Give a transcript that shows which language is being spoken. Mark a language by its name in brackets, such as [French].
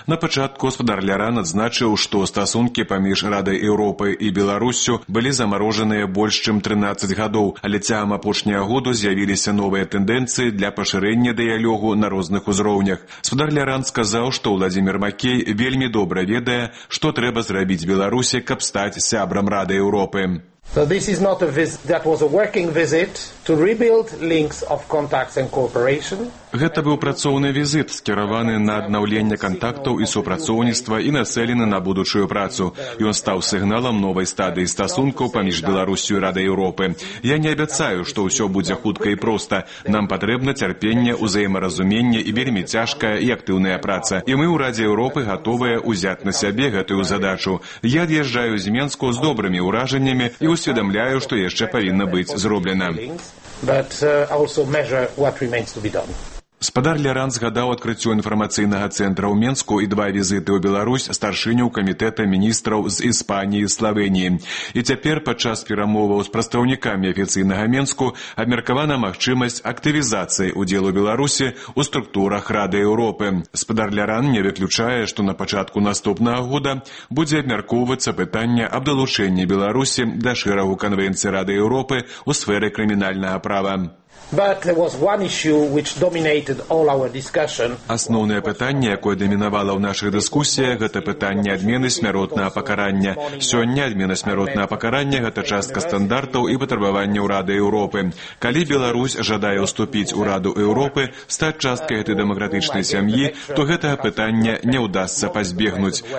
[Belarusian] На пачатку спадар Ляран адзначыў, што стасункі паміж Радай Еўропы і Беларусю былі замарожаныя больш чым 13 гадоў, але цягам апошняга году з'явіліся новыя тэндэнцыі для пашырэння дыялогу на розных узроўнях. Спадар Ляран сказаў, што Уладзімір Макей вельмі добра ведае, што трэба зрабіць Беларусі, каб стаць сябрам Рады Еўропы. [English] So this is not a visit, that was a working visit to rebuild links of contacts and cooperation. [Belarusian] Гэта быў працоўны візіт, скіраваны на аднаўленне кантактаў і супрацоўніцтва і нацэлены на будучую працу. Ён стаў сігналам новай стадыі стасункаў паміж Беларусю і Радай Еўропы. Я не абяцаю, што ўсё будзе хутка і проста. Нам патрэбна цярпенне, узаемаразуменне і вельмі цяжкая і актыўная праца. І мы ў Радзе Еўропы гатовыя ўзяць на сябе гэтую задачу. Я ад'язджаю з Менску з добрымі ўражаннямі і ўсведамляю, што яшчэ павінна быць зроблена. [English] But also measure what remains to be done. [Belarusian] Спадар Ляран згадаў адкрыццё інфармацыйнага цэнтра ў Менску і два візіты ў Беларусь старшыню камітэта міністраў з Іспаніі і Славеніі. І цяпер падчас перамоваў з прадстаўнікамі афіцыйнага Менску абмеркавана магчымасць актывізацыі ўдзелу Беларусі ў структурах Рады Еўропы. Спадар Ляран не выключае, што на пачатку наступнага года будзе абмяркоўвацца пытанне аб далучэнні Беларусі да шэрагу канвенцый Рады Еўропы ў сферы крымінальнага права. [English] But there was one issue which dominated all our discussion. [Belarusian] Асноўнае пытанне, якое дамінавала ў нашых дыскусіях, гэта пытанне адмены смяротнага пакарання. Сёння адмена смяротнага пакарання гэта частка стандартаў і патрабаванняў Рады Еўропы. Калі Беларусь жадае ўступіць у Раду Еўропы, стаць часткай гэтай дэмакратычнай сям'і, то гэтага пытання не ўдасца пазбегнуць.